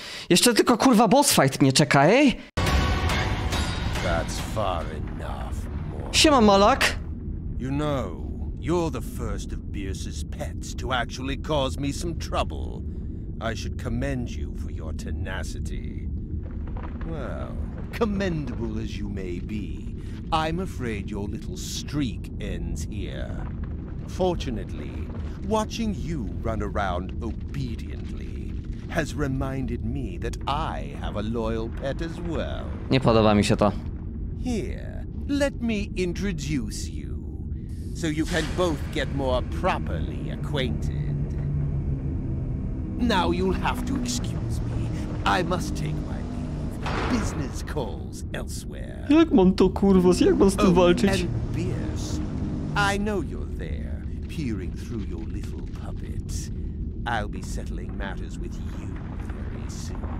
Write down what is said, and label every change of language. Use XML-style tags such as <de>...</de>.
<pl>Jeszcze tylko kurwa boss fight mnie czeka, ej!</pl> <en>That's far enough, Morgan.</en> <pl>Siema, Malak!</pl> <en>You know, you're the first of Beerus's pets to actually cause me some trouble. I should commend you for your tenacity. Well, commendable as you may be, I'm afraid your little streak ends here. Fortunately, watching you run around obediently has reminded me that I have a loyal pet as well.</en> <pl>Nie podoba mi się to.</pl> <en>Here, let me introduce you, so you can both get more properly acquainted. Now you'll have to excuse me. I must take my leave. Business calls elsewhere.</en> <pl>Jak mam to kurwa, jak mam z tym walczyć?</pl> <en>Oh, and Beers, I know you're there, peering through your little puppet. I'll be settling matters with you very soon.</en>